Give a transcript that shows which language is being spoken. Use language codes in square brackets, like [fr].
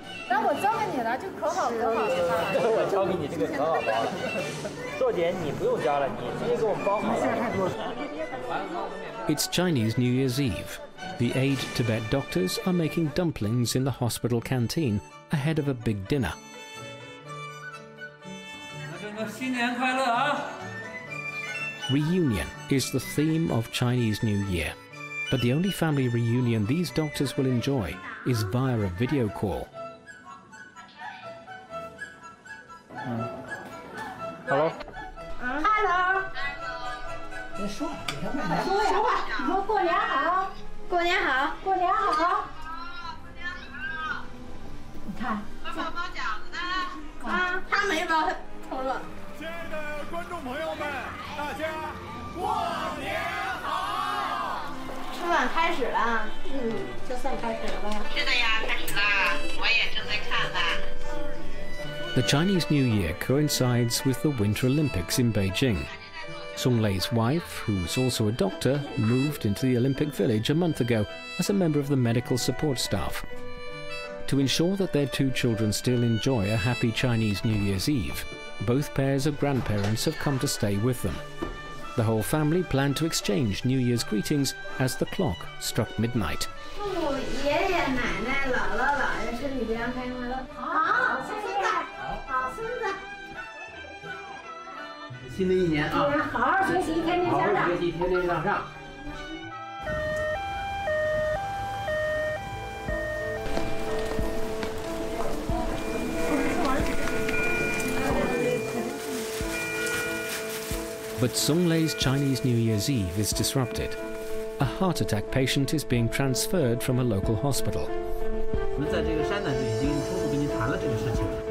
[zh] 那我交给你了，就可好可好了。我交给你这个可好了。做点你不用交了，你直接给我包好了。 [en] It's Chinese New Year's Eve. The Aid Tibet doctors are making dumplings in the hospital canteen ahead of a big dinner. [zh] 新年快乐啊！ [en] Reunion is the theme of Chinese New Year, but the only family reunion these doctors will enjoy is via a video call. Hello. Hello. [zh] 别说了，说话，你说过年好。过年好，过年好，过年好！你看，爸爸包饺子呢。啊，他没包，偷了。亲爱的观众朋友们，大家过年好！春晚开始了，嗯，就算开始了吧。是的呀，开始了，我也正在看呢。 [en] The Chinese New Year coincides with the Winter Olympics in Beijing. Song Lei's wife, who's also a doctor, moved into the Olympic Village a month ago as a member of the medical support staff. To ensure that their two children still enjoy a happy Chinese New Year's Eve, both pairs of grandparents have come to stay with them. The whole family planned to exchange New Year's greetings as the clock struck midnight. [zh] 父母、爷爷、奶奶、姥姥、姥爷，身体健康，快乐。好，好孙子，好孙子。新的一年啊，好好学习，天天向上，好好学习，天天向上。 [en] But Song Lei's Chinese New Year's Eve is disrupted. A heart attack patient is being transferred from a local hospital. [zh] 我们在这个山呢，就已经初步跟您谈了这个事情。